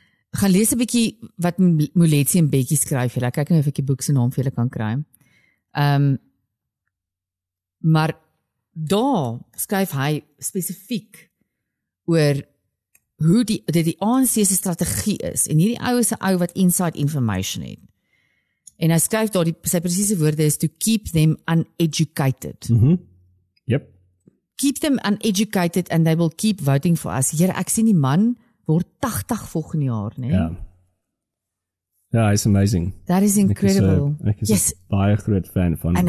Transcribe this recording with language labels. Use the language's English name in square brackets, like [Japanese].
[Afrikaans] Gaan lees een bykie wat Muletsi en Beggie skryf. Ek kyk nou of ek die boek sy naam vir julle kan kry. Maar daar skryf hy specifiek oor hoe die ANC se strategie is. En hierdie ou is 'n ou wat inside information het. En hy skryf daar, sy presiese woorde is [English] to keep them uneducated. Mm-hmm. Yep. Keep them uneducated and they will keep voting for us. [Afrikaans] Hier, ek sien die man word 80 volgende jaar, nee? [English] Ja. Ja, it's amazing. That is incredible. [Afrikaans] Ek is baie groot fan van hom.